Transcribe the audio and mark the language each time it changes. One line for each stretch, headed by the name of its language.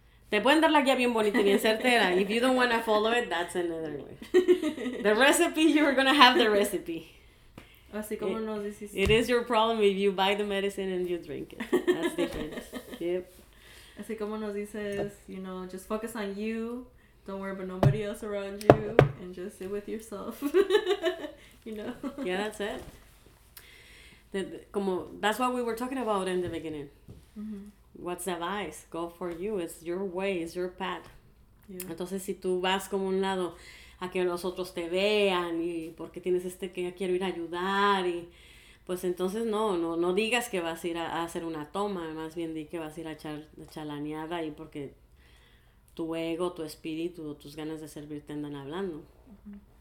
Spanish: Te pueden dar la guía bien bonita y bien certera.
English: If you don't want to follow it, that's another way. The recipe, you're going to have the recipe.
Spanish: Así como it, nos decís.
English: It is your problem if you buy the medicine and you drink it. That's different. Yep.
Spanish: Así como nos dices,
English: you know, just focus on you. Don't worry about nobody else around you. And just sit with yourself. You know? Yeah, that's it. That's what we were talking about in the beginning. Mm-hmm. What's the advice? Go for you. It's your way. It's your path. Yeah.
Spanish: Entonces, si tú vas como un lado a que los otros te vean y porque tienes este que quiero ir a ayudar, y pues entonces no digas que vas a ir a hacer una toma. Más bien di que vas a ir a echar chalaneada ahí porque tu ego, tu espíritu, tus ganas de servir te andan hablando. Uh-huh.